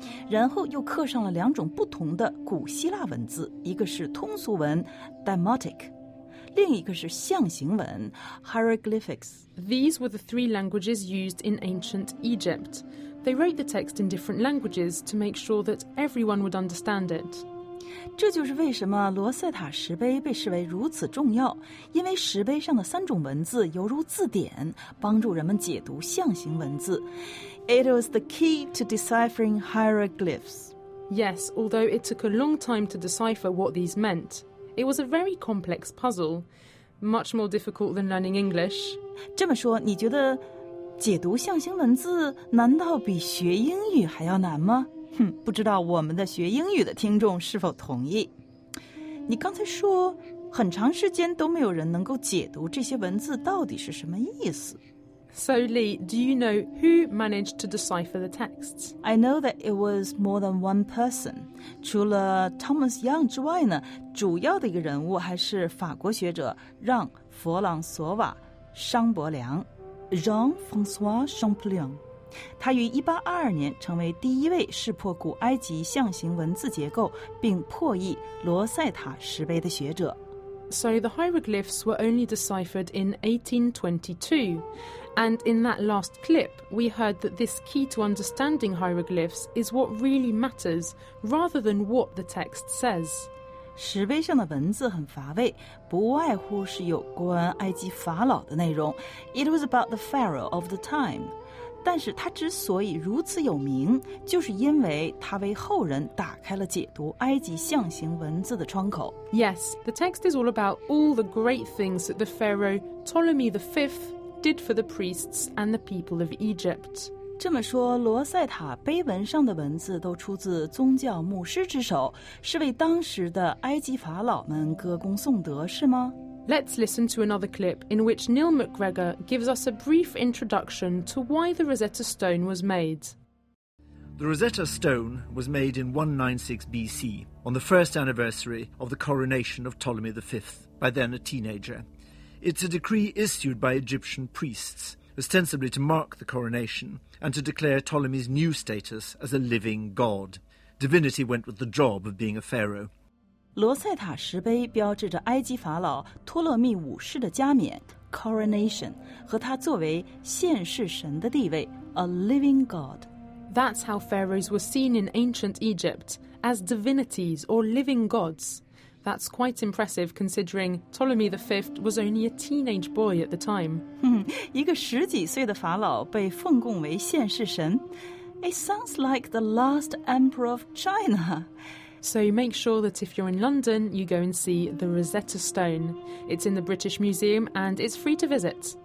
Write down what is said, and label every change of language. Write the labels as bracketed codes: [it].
[zh] 然后又刻上了两种不同的古希腊文字，一个是通俗文 Demotic， 另一个是象形文 Hieroglyphics. [en] These were the three languages used in ancient Egypt. They wrote the text in different languages to make sure that everyone would understand it. [zh] 这就是为什么罗塞塔石碑被视为如此重要，因为石碑上的三种文字犹如字典，帮助人们解读象形文字。 [en] It was the key to deciphering hieroglyphs. Yes, although it took a long time to decipher what these meant. It was a very complex puzzle, much more difficult than learning English. [zh] 这么说，你觉得解读象形文字难道比学英语还要难吗？不知道我们的学英语的听众是否同意。你刚才说，很长时间都没有人能够解读这些文字到底是什么意思。 [en] So, Lee, do you know who managed to decipher the texts? I know that it was more than one person. [zh] 除了 Thomas Young 之外呢，主要的一个人物还是法国学者让·弗朗索瓦·商伯良 Jean-François Champollion. 他于1822年成为第一位识破古埃及象形文字结构并破译罗塞塔石碑的学者。 [en] So the hieroglyphs were only deciphered in 1822. And in that last clip, we heard that this key to understanding hieroglyphs is what really matters, rather than what the text says. [zh] 石碑上的文字很乏味，不外乎是有关埃及法老的内容。 [en] It was about the pharaoh of the time. [zh] 但是它之所以如此有名，就是因为它为后人打开了解读埃及象形文字的窗口。 [en] Yes, the text is all about all the great things that the pharaoh Ptolemy the Fifth did for the priests and the people of Egypt. [zh] 这么说，罗塞塔碑文上的文字都出自宗教牧师之手，是为当时的埃及法老们歌功颂德，是吗？ [en] Let's listen to another clip in which Neil McGregor gives us a brief introduction to why the Rosetta Stone was made. The Rosetta Stone was made in 196 BC on the first anniversary of the coronation of Ptolemy the Fifth, by then a teenager. It's a decree issued by Egyptian priests. Ostensibly to mark the coronation and to declare Ptolemy's new status as a living god. Divinity went with the job of being a pharaoh. [zh] 罗塞塔石碑标志着埃及法老托勒密五世的加冕 coronation 和他作为现世神的地位 a living god. [en] That's how pharaohs were seen in ancient Egypt, as divinities or living gods. That's quite impressive considering Ptolemy the Fifth was only a teenage boy at the time. [zh] 一个十几岁的法老被奉供为现世神。 [en] It sounds like the last emperor of China. So make sure that if you're in London, you go and see the Rosetta Stone. It's in the British Museum and it's free to visit.